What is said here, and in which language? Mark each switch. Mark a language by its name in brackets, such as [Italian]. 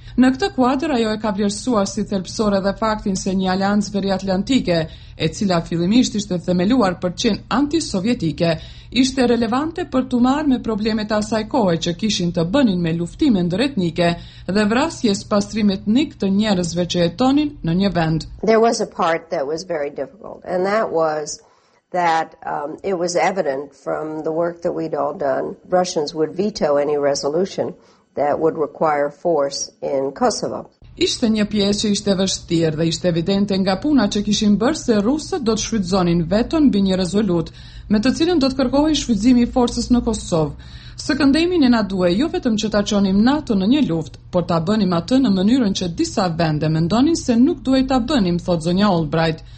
[Albanian] Në këtë kuadër ajo e ka vlerësuar si thelbësore edhe faktin se një aleancë veriatlantike, e cila fillimisht ishte themeluar për qenë antisovjetike, ishte relevante për të marrë me problemet asaj kohe që kishin të bënin me luftime ndëretnike dhe vrasje spastrimit etnik të njerëzve që jetonin në një vend. [English] There was a part that was very difficult, and that was that it was evident from the work that we'd all done, Russians would veto any resolution that would require force in Kosovo. [Albanian] Ishte një pjesë që ishte vështirë dhe ishte evidente nga puna që kishin bërë se rusët do të shfrytëzonin veton mbi një rezolut, me të cilën do të kërkohej shfrytëzimi i forcës në Kosovë. Sekondemi ne na duhet jo vetëm që ta çonim NATO në një luftë, por ta bënim atë në mënyrën që disa vende mendonin se nuk duhet ta bënim, thot zonja Albright.